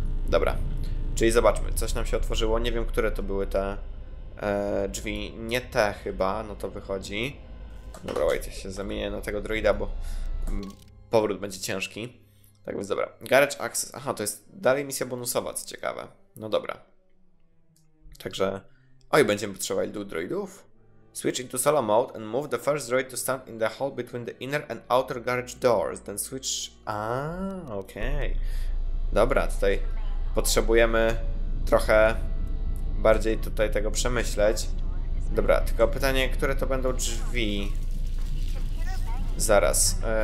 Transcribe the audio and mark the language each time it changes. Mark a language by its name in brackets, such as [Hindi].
[Polish] Dobra, czyli zobaczmy, coś nam się otworzyło. Nie wiem, które to były te drzwi. Nie te chyba, no to wychodzi. Dobra, łajcie się, zamienię na tego droida, bo powrót będzie ciężki. Tak więc dobra. Garage Access. Aha, to jest dalej misja bonusowa, co ciekawe. No dobra. Także... Oj, będziemy potrzebować dwóch droidów. [English] Switch into solo mode and move the first droid to stand in the hall between the inner and outer garage doors. Then switch... okej. [Polish] Dobra, tutaj potrzebujemy trochę bardziej tutaj tego przemyśleć. Dobra, tylko pytanie, które to będą drzwi? Zaraz.